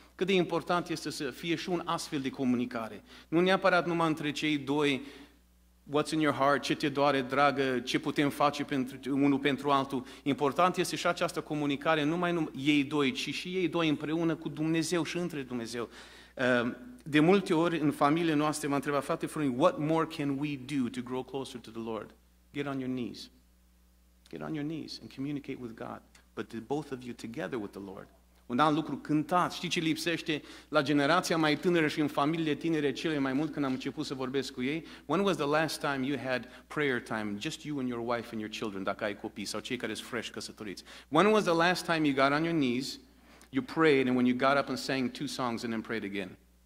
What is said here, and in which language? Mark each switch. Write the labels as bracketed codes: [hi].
[ro] Cât de important este să fie și un astfel de comunicare. Nu neapărat numai între cei doi, [en] what's in your heart, [ro] ce te doare, dragă, ce putem face pentru unul pentru altul. Important este și această comunicare, numai ei doi, ci și ei doi împreună cu Dumnezeu și între Dumnezeu. De multe ori în familie noastră m-a întrebat, frate frumii, [en] what more can we do to grow closer to the Lord? Get on your knees. Get on your knees and communicate with God. But the both of you together with the Lord. [ro] Un alt lucru, cântați. Știi ce lipsește la generația mai tânără și în familie tinere cele mai mult când am început să vorbesc cu ei? [en] When was the last time you had prayer time, just you and your wife and your children, [ro] dacă ai copii sau cei care sunt fresh căsătoriți? [en] When was the last time you got on your knees, you prayed, and when you got up and sang two songs and then prayed again?